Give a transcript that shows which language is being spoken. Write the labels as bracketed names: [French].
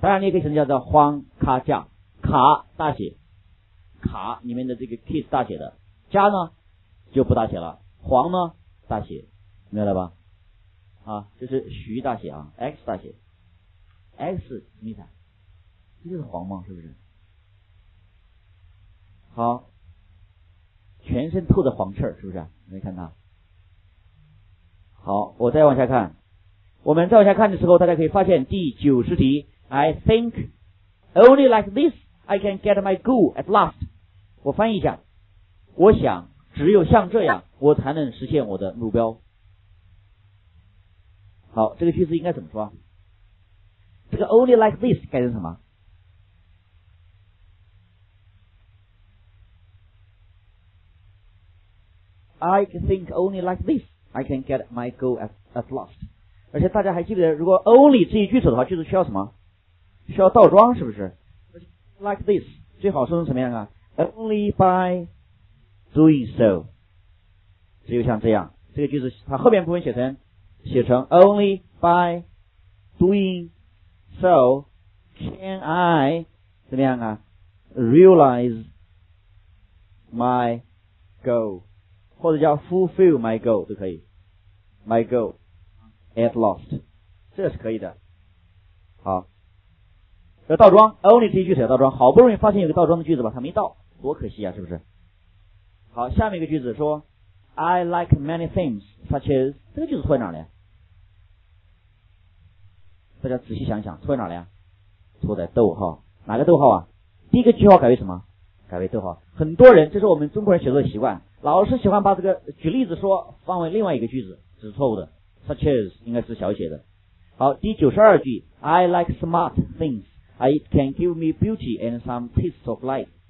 [Chinese] 当然你也可以成叫做黄卡加，卡大写，卡里面的这个 K 是大写的，加呢就不大写了，黄呢大写，明白了吧？啊，就是徐大写啊 ，X 大写 ，X 什么意思？这就是黄吗？是不是？好，全身透着黄气儿，是不是？没看到？好，我再往下看，我们再往下看的时候，大家可以发现第90题 ， [English] I think only like this I can get my goal at last。 [Chinese] 我翻译一下，我想只有像这样，我才能实现我的目标。好，这个句子应该怎么说？这个 only like this 改成什么？ [English] I think only like this I can get my goal at last。 [Chinese] 而且大家还记得，如果 only 这一句子的话，句子需要什么？需要倒装，是不是？ like this 最好说成什么样啊？only by doing so， 只有像这样，这个句子它后面部分写成 [English] only by doing so can I [Chinese] 怎么样啊？ [English] realize my goal，或者叫 fulfill my goal 都可以， my goal at last， 这是可以的。 [Chinese] 好，这倒装 only 这一句才倒装，好不容易发现有个倒装的句子吧，它没倒，多可惜啊，是不是？好，下面一个句子说 [English] I like many things such as， [Chinese] 这个句子错在哪里？大家仔细想想，错在哪里啊？错在逗号，哪个逗号啊？第一个句号改为什么？改为逗号。很多人，这是我们中国人写作的习惯，老是喜欢把这个举例子说放为另外一个句子，这是错误的。 Such as 应该是小写的。 [English] 好，第92句 I like smart things It can give me beauty and some taste of life。